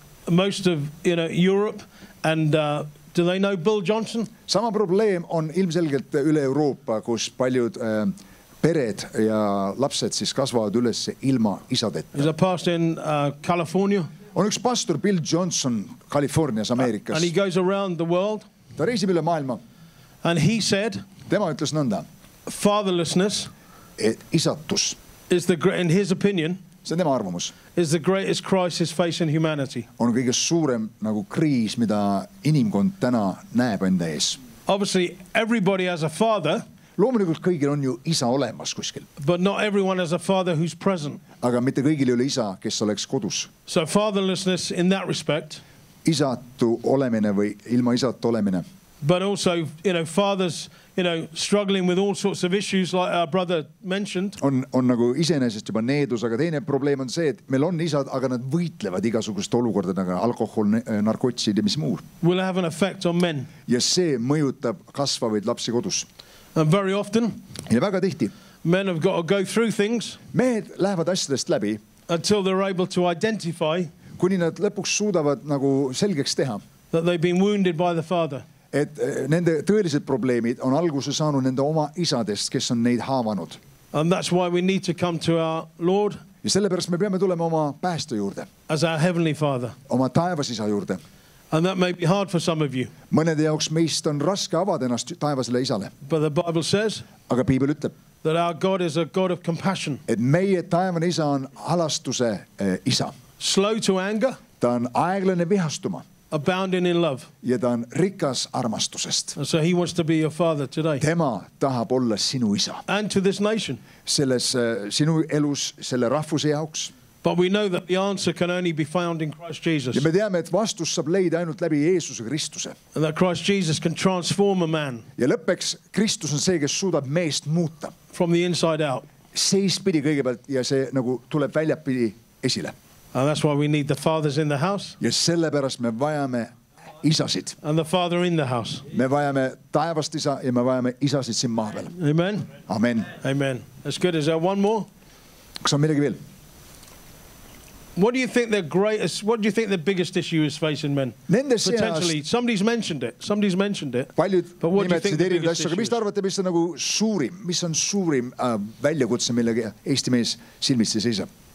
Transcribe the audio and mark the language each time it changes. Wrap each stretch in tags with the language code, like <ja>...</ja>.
<en>Most of Europe, and do they know Bill Johnson?</en> <et>Sama probleem on ilmselgelt üle Euroopa, kus paljud pered ja lapsed siis kasvavad üles ilma isadeta.</et> <en>There's a pastor in California.</en> <et>On üks pastor Bill Johnson Californias Ameerikas.</et> <en>And he goes around the world.</en> <et>Ta reisib üle maailma.</et> <en>And he said.</en> <et>Tema ütles nõnda.</et> <en>Fatherlessness.</en> <et>Et isatus.</et> <en>Is the great in his opinion.</en> <et>See tema arvamus.</et> <en>Is the greatest crisis facing humanity.</en> <et>On kõige suurem nagu kriis, mida inimkond täna näeb enda ees.</et> <en>Obviously, everybody has a father.</en> <et>Loomulikult kõigil on ju isa olemas kuskil.</et> <en>But not everyone has a father who's present.</en> <et>Aga mitte kõigil ei ole isa, kes oleks kodus.</et> <en>So fatherlessness in that respect.</en> <et>Isatu olemine või ilma isatu olemine.</et> <en>But also, fathers, struggling with all sorts of issues like our brother mentioned.</en> <et>On nagu isenesest juba needus, aga teine probleem on see, et meil on isad, aga nad võitlevad igasugust olukorda, aga alkohol, narkotsid ja mis muu.</et> <en>Will have an effect on men.</en> <et>Ja see mõjutab kasvavaid lapsi kodus.</et> <en>And very often.</en> <et>Ja väga tihti.</et> <en>Men have got to go through things.</en> <et>Mehed lähevad asjadest läbi.</et> <en>Until they're able to identify.</en> <et>Kuni nad lõpuks suudavad nagu selgeks teha.</et> <en>That they've been wounded by the father.</en> <et>Et nende tõelised probleemid on alguse saanud nende oma isadest, kes on neid haavanud.</et> <en>And that's why we need to come to our Lord.</en> <et>Ja sellepärast me peame tulema oma päästu juurde.</et> <en>As our heavenly father.</en> <et>Oma taevas isa juurde.</et> <en>And that may be hard for some of you.</en> <et>Mõnede jaoks meist on raske avada ennast taevasele isale.</et> <en>But the Bible says.</en> <et>Aga Piibel ütleb.</et> <en>That our God is a God of compassion.</en> <et>Et meie taevane isa on alastuse isa.</et> <en>Slow to anger.</en> <et>Ta on aeglane vihastuma.</et> <en>Abounding in love.</en> <et>Ja ta on rikas armastusest.</et> <en>And so he wants to be your father today.</en> <et>Tema tahab olla sinu isa.</et> <en>And to this nation.</en> <et>Selles sinu elus, selle rahvuse jaoks.</et> <en>But we know that the answer can only be found in Christ Jesus.</en> <et>Ja me teame, et vastus saab leida ainult läbi Jeesuse Kristuse.</et> <en>And that Christ Jesus can transform a man.</en> <et>Ja lõppeks, Kristus on see, kes suudab meest muuta.</et> <en>From the inside out.</en> <et>Seispidi kõigepealt ja see nagu tuleb väljapidi esile.</et> <en>And that's why we need the fathers in the house.</en> <et>Ja sellepärast me vajame isasid.</et> <en>And the father in the house.</en> <et>Me vajame taevast isa ja me vajame isasid siin maa peal.</et> <en>Amen.</en> <et>Amen.</et> <en>Amen. That's good. Is there one more?</en> <et>Kas on midagi veel?</et> <en>What do you think the greatest, what do you think the biggest issue is facing men?</en> <et>Nende</et> <en>potentially,</en> <et>seast,</et> <en>somebody's mentioned it.</en> <et>Paljud</et> <en>but what do you think the biggest issue is?</en> <et>Mis te arvate, mis on nagu suurim, mis on suurim väljakutse, millega Eesti mees silmisse seisab?</et>